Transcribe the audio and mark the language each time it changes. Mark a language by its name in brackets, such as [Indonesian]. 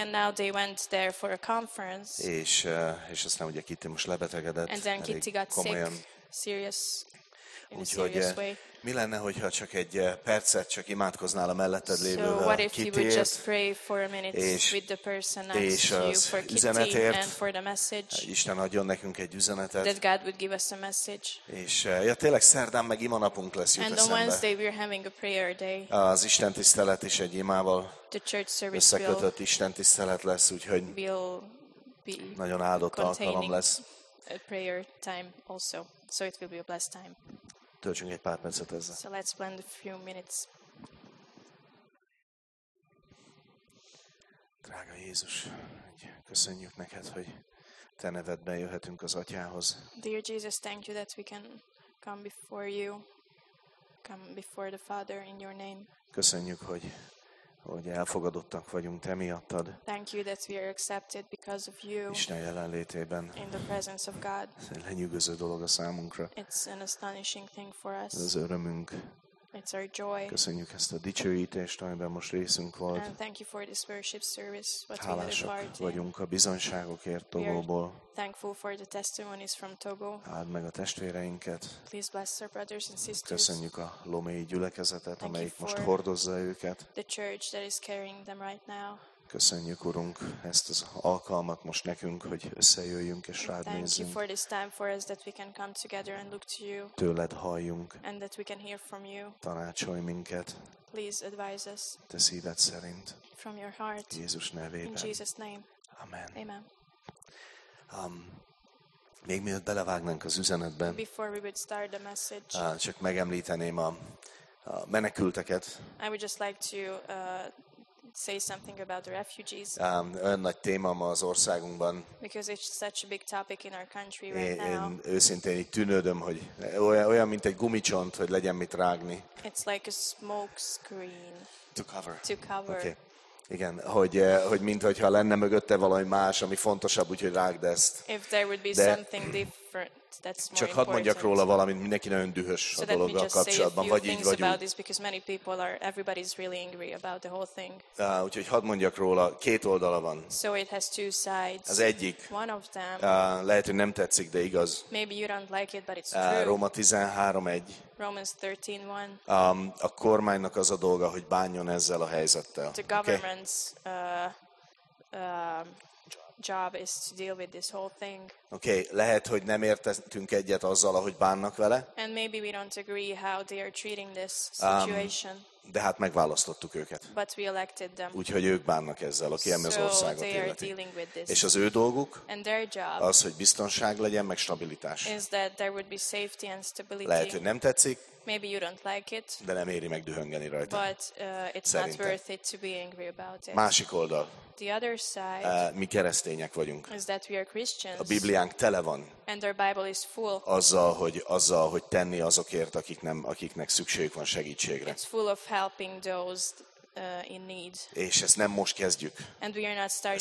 [English] And now they went there for a conference. [Hungarian] És aztán ugye Kitty most lebetegedett. [English] And then Kitty got [Hungarian] komolyan. [English] Sick, serious. [Hungarian] Úgyhogy mi lenne, hogyha csak egy percet csak imádkoznál a melletted lévővel, [English] so [Hungarian] Kittyért, és [English] you for Kitty [Hungarian] üzenetért, [English] and for the message, [Hungarian] Isten adjon nekünk egy üzenetet, [English] that God would give us a message. [Hungarian] És ja, tényleg szerdán meg ima napunk lesz, [English] and [Hungarian] jut eszembe. [English] On Wednesday we're having a prayer day. [Hungarian] Az Isten tisztelet is egy imával [English] the church service [Hungarian] összekötött Isten tisztelet lesz, úgyhogy [English] will be [Hungarian] nagyon áldott alkalom lesz. [English] A prayer time also, so it will be a blessed time. [Hungarian] Töltsünk egy pár percet ezzel. [English] So let's spend a few minutes. [Hungarian] Drága Jézus, köszönjük neked, hogy te nevedben jöhetünk az Atyához. [English] Dear Jesus, thank you that we can come before you, come before the Father in your name. [Hungarian] Köszönjük, hogy elfogadottak vagyunk te miattad. [English] Thank you that we are accepted because of you. [Hungarian] Isten jelenlétében. [English] In the presence of God. [Hungarian] Ez egy lenyűgöző dolog a számunkra. [English] It's an astonishing thing for us. [Hungarian] Ez az örömünk. [English] It's our joy. [Hungarian] Köszönjük ezt a dicsőítést, amiben most részünk volt. [English] And thank you for this worship service. [Hungarian] Hálásak vagyunk a bizonyságokért Togóból. [English] Thankful for the testimonies from Togo. [Hungarian] Áld meg a testvéreinket. [English] Please bless our brothers and sisters. [Hungarian] Köszönjük a lomélyi gyülekezetet, [English] thank [Hungarian] amelyik most hordozza őket. [English] The church that is carrying them right now. [Hungarian] Köszönjük, Urunk, ezt az alkalmat most nekünk, hogy összejöjjünk és rád [English] thank [Hungarian] nézzünk. [English] You for this time for us that we can come together and look to you. [Hungarian] Tőled halljunk. [English] And that we can hear from you. [Hungarian] Tanácsolj minket. [English] Please advise us. [Hungarian] Te szíved szerint. [English] From your heart. [Hungarian] Jézus nevében. [English] In Jesus name. [Hungarian] Amen. [English] Amen. [Hungarian] Még mielőtt belevágnánk az üzenetbe, [English] before we would start the message, [Hungarian] csak megemlíteném a menekülteket. [English] I would just like to say something about the refugees. [Hungarian] Olyan nagy téma ma az országunkban. [English] Because it's such a big topic in our country right [Hungarian] én [English] now. [Hungarian] Én őszintén így tűnődöm, hogy olyan mint egy gumicsont, hogy legyen mit rágni. [English] It's like a smoke screen. To cover. Okay. [Hungarian] Igen, hogy mintha lenne mögötte valami más, ami fontosabb, úgyhogy rágd ezt. [English] If there would be de something different, that's more important. [Hungarian] Csak hadd mondjak róla valamit, mindenki nagyon dühös [English] so [Hungarian] a dologgal kapcsolatban, vagy így, vagy [English] about this, because many people are, everybody's really angry about the whole thing. [Hungarian] Úgyhogy hadd mondjak róla, két oldala van. [English] So it has two sides. [Hungarian] Az egyik, [English] one of them, [Hungarian] lehet, hogy nem tetszik, de igaz. [English] Maybe you don't like it, but it's true. [Hungarian] Róma 13:1. [English] Romans 13:1. [Hungarian] A kormánynak az a dolga, hogy bánjon ezzel a helyzettel. [English] The government's job is to deal with this whole thing. [Hungarian] Okay, lehet, hogy nem értettünk egyet azzal, ahogy bánnak vele. [English] And maybe we don't agree how they are treating this situation. [Hungarian] De hát megválasztottuk őket. [English] But we elected them. [Hungarian] Úgyhogy ők bánnak ezzel, aki ami az országot életi. És az ő dolguk [English] and their job [Hungarian] az, hogy biztonság legyen, meg stabilitás. [English] Is that there would be safety and stability. [Hungarian] Lehet, hogy nem tetszik, [English] maybe you don't like it, [Hungarian] de nem éri meg dühöngeni rajta. [English] But, it's not worth it to be angry about it. [Hungarian] Másik oldal. [English] The other side, [Hungarian] mi keresztények vagyunk. [English] Is that we are Christians. [Hungarian] A Bibliánk tele van. [English] And our Bible is full. [Hungarian] Azzal, hogy tenni azokért, akiknek szükségük van segítségre. [English] It's full of helping those in need. [Hungarian] És ezt nem most kezdjük. [English] And we are not starting